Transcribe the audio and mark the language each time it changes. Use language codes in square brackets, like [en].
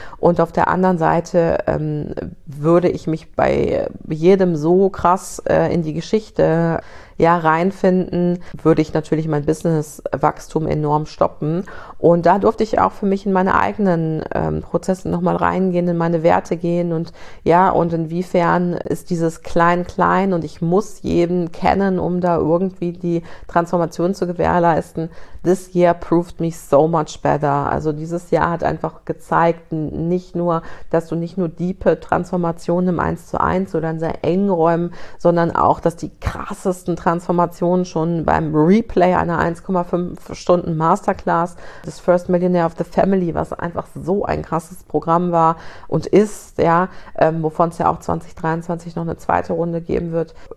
[de] Und auf der anderen Seite würde ich mich bei jedem so krass in die Geschichte ja reinfinden, würde ich natürlich mein Businesswachstum enorm stoppen. Und da durfte ich auch für mich in meine eigenen Prozesse nochmal reingehen, in meine Werte gehen und ja, und inwiefern ist dieses Klein-Klein und ich muss jeden kennen, um da irgendwie die Transformation zu gewährleisten. [en] This year proved me so much better. [de] Also dieses Jahr hat einfach gezeigt, nicht nur, dass du nicht nur diepe Transformationen im 1:1 oder in sehr engen Räumen, sondern auch, dass die krassesten Transformationen schon beim Replay einer 1,5 Stunden Masterclass des First Millionaire of the Family, was einfach so ein krasses Programm war und ist, ja, wovon es ja auch 2023 noch eine zweite Runde geben wird.